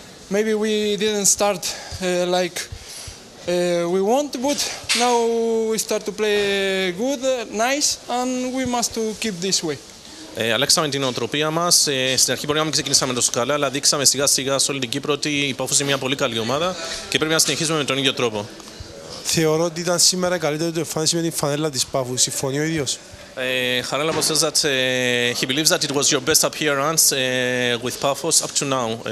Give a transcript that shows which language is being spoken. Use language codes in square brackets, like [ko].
[en] Maybe we didn't start like we want, but now we start to play good, nice, and we must to keep this way. [el] Αλλάξαμε την νοοτροπία μας. Στην αρχή πορεία μου ξεκινήσαμε τόσο καλά, αλλά δείξαμε σιγά σιγά σε όλη την Κύπρο ότι η Παφος είναι μια πολύ καλή ομάδα και πρέπει να συνεχίσουμε με τον ίδιο τρόπο. Θεωρώ ότι ήταν σήμερα η καλύτερη του εμφάνιση με την φανέλα της Πάφου. Συμφωνεί ο ίδιος? [en] Χαράλαμπο says that he believes that it was your best appearance with Paphos up to now.